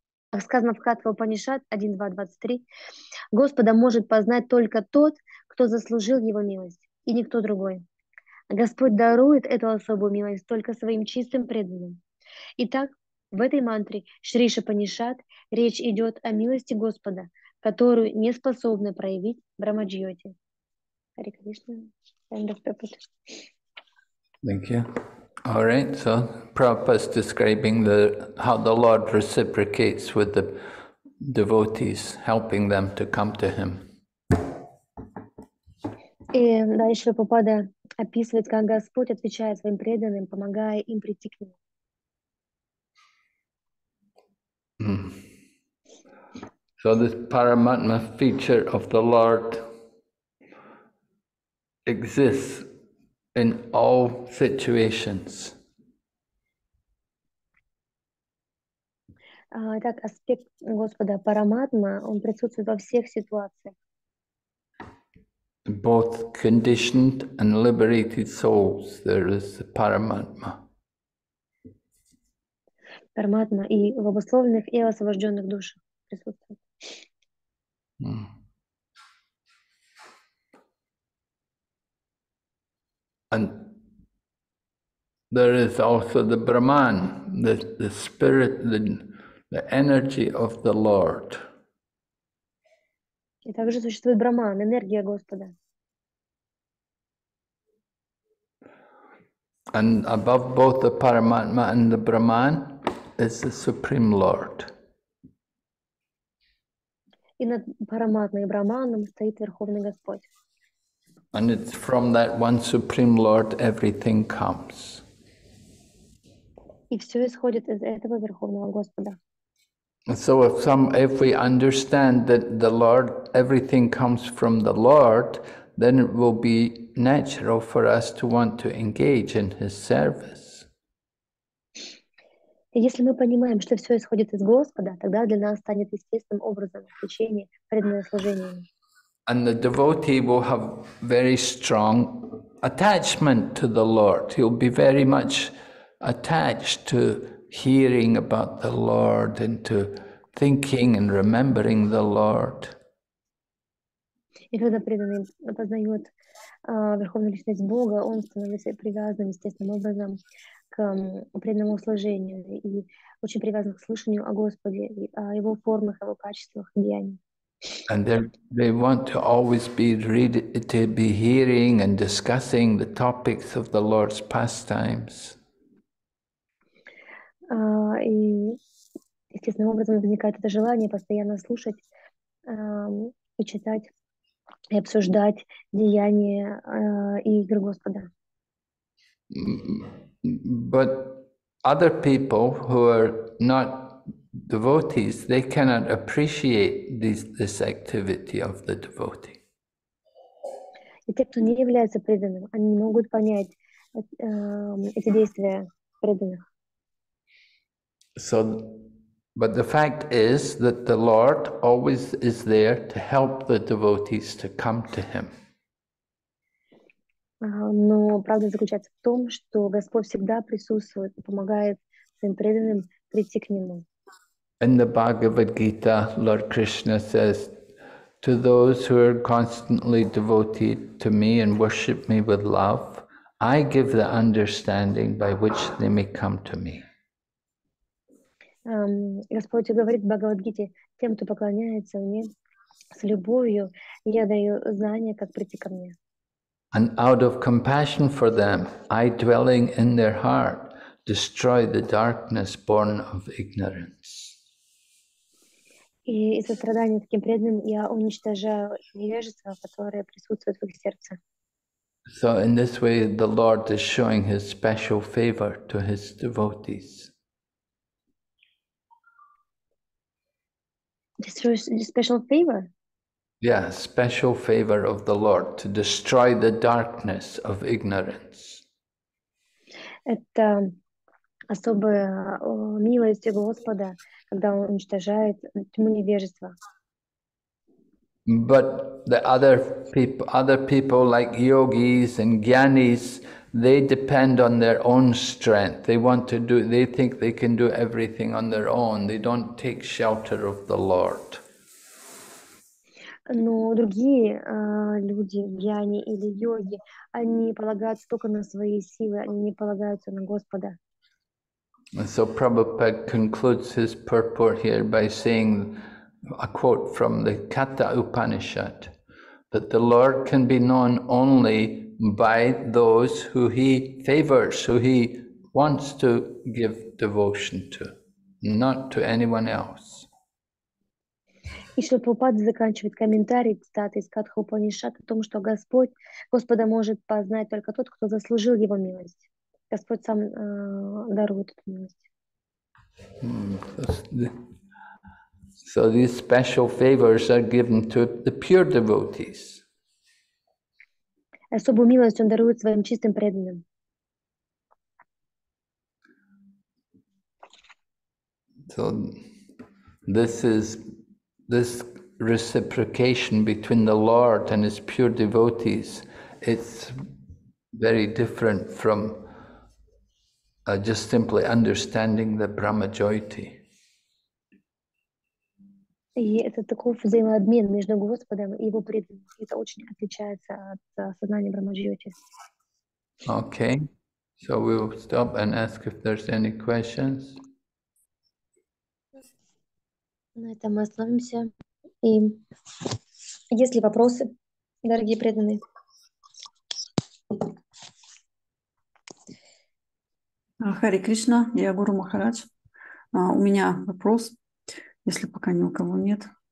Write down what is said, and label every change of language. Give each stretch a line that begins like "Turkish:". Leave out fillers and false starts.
Russian: Как сказано в Катха Упанишад 1.2.23, Господа может познать только тот, кто заслужил Его милость, и никто другой. Господь дарует эту особую милость только своим чистым преданным. Итак, в этой мантре Шри Шупанишад речь идет о милости Господа, которую не способны проявить брахмачарьи.
English: Hare Krishna, end of purpose. Thank you. All right, so Prabhupada's describing the how the Lord reciprocates with the devotees, helping them to come to Him.
Russian: И дальше Прабхупада описывает, как Господь отвечает своим преданным, помогая им прийти к Нему.
English: So this Paramatma feature of the Lord exists in all situations.
Russian: Так аспект Господа Параматма, он присутствует во всех ситуациях.
English: Both conditioned and liberated souls, there is the Paramatma.
Russian: Параматма и в обусловленных и освобожденных душах присутствует.
English: And there is also the Brahman, the spirit, the energy of the Lord.
Russian: И также существует Брахман, энергия Господа.
English: And above both the Paramatma and the Brahman is the Supreme Lord.
Russian: И над Параматмой и Брахманом стоит Верховный Господь.
English: And it's from that one Supreme Lord everything comes.
Russian: И все исходит из этого Верховного Господа.
English: So if some, if we understand that the Lord, everything comes from the Lord, then it will be natural for us to want to engage in His service.
Russian: Если мы понимаем, что все исходит из Господа, тогда для нас станет естественным образом течение преданное служение.
English: And the devotee will have very strong attachment to the Lord. He'll be very much attached to hearing about the Lord and to thinking and remembering the Lord.
Russian: И когда преданный познает Верховную Личность Бога, он становится привязанным естественным образом к преданному служению и очень привязан к слышанию о Господе, о Его формах, о Его качествах и деяниях.
English: And they want to always be read, to be hearing and discussing the topics of the Lord's pastimes.
Russian: И естественным образом возникает это желание постоянно слушать и читать и обсуждать деяния и игры Господа.
English: But other people who are not devotees, they cannot appreciate this activity of the devotee.
Russian: И те, кто не является преданным, они не могут понять эти действия преданных.
English: So, but the fact is that the Lord always is there to help the devotees to come to Him.
Russian: Но правда заключается в том, что Господь всегда присутствует и помогает своим преданным прийти к Нему.
English: In the Bhagavad Gita, Lord Krishna says, to those who are constantly devoted to me and worship me with love, I give the understanding by which they may come to me.
Russian: Господь говорит в Бхагавад-гите, тем, кто поклоняется мне с любовью, я даю знание, как прийти ко мне.
English: And out of compassion for them, I dwelling in their heart, destroy the darkness born of ignorance.
Russian: И из-за страдания таким преданным я уничтожаю невежество, которое присутствует в их сердце.
English: So in this way the Lord is showing His special favor to His devotees. Special favor? Yeah, special favor of the Lord to destroy the darkness of ignorance.
Russian: Это особая милость Господа, когда Он уничтожает тьму невежества.
English: But the other people like yogis and gyanis, they depend on their own strength. They want to do, they think they can do everything on their own. They don't take shelter of the Lord.
Russian: Но другие люди, гьяни или йоги, они полагаются только на свои силы, они не полагаются на Господа.
English: And so Prabhupada concludes his purport here by saying a quote from the Katha Upanishad, that the Lord can be known only by those who He favors, who He wants to give devotion to, not to anyone else.
Russian: И Шрила Прабхупада заканчивает комментарий, цитата из Катха Упанишад, о том, что Господа может познать только тот, кто заслужил Его милость. Господь сам дарует эту милость.
English: So these special favors are given to the pure devotees.
Russian: Особую милость он дарует своим чистым преданным.
English: So this reciprocation between the Lord and His pure devotees, it's very different from just simply understanding the Brahmajyoti.
Russian: И это такой взаимообмен между Господом и Его преданными. Это очень отличается от сознания Брахмаджоти.
English: Okay, so we'll stop and ask if there's any questions.
Russian: На этом мы остановимся и Есть ли вопросы, дорогие преданные? Хари Кришна, я Гуру Махарадж. У меня вопрос, если пока ни у кого нет.